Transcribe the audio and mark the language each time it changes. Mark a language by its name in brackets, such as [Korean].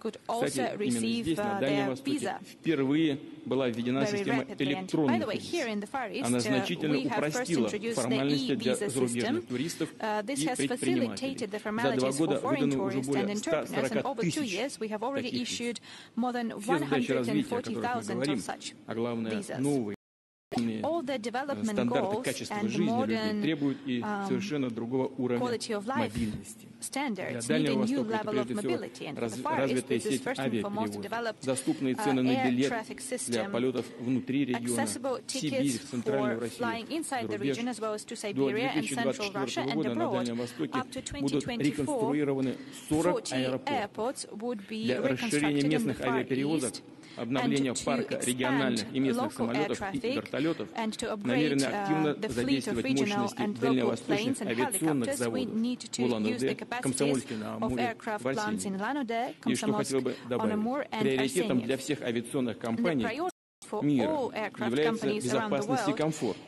[Russian] Кстати, именно здесь, на Дальнем Востоке, впервые была введена система электронных виз. Она значительно упростила формальности для зарубежных туристов и предпринимателей. За два года выдано уже более 140 тысяч таких виз. Все задачи развития, о которых мы говорим, а главное, новые. [English] All the development goals and the modern quality of life standards need a new level of mobility. And for the Far East, this is first and foremost developed air traffic system, accessible tickets for flying inside the region as well as to Siberia and Central Russia and abroad. Up to 2024, 40 airports would be reconstructed in the Far East. [Russian] Обновление парка региональных и местных самолетов и вертолетов намерены активно задействовать мощности дальневосточных авиационных заводов Улан-Удэ, Комсомольске-на-Амуре, и что хотел бы добавить, приоритетом для всех авиационных компаний мира является безопасность и комфорт.